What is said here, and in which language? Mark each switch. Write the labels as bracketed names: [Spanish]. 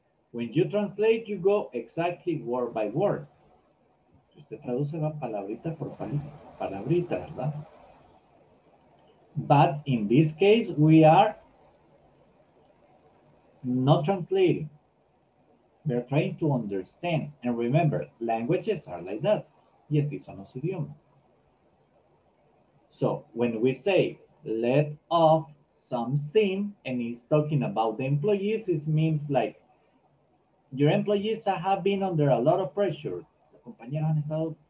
[English] When you translate, you go exactly word by word. [Spanish] Si usted traduce va palabrita por palabrita, ¿verdad? [English] But in this case, we are not translating. We are trying to understand. And remember, languages are like that. [Spanish] Y así son los idiomas. [English] So when we say, let off some steam, and he's talking about the employees, it means like, your employees have been under a lot of pressure. [Spanish] Los compañeros han estado